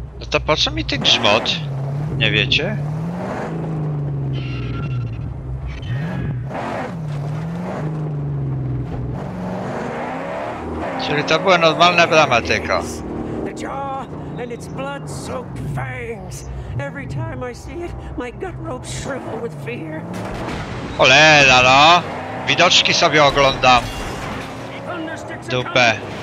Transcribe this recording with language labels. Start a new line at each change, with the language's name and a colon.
Polish: To po co mi ten grzmot? Nie wiecie? Czyli to była normalna brama tylko.
English: The jaw and its blood-soaked fangs. Every time I see it, my gut ropes shrivel with fear.
Polish: Cholera, no! Widoczki sobie oglądam. Dupę.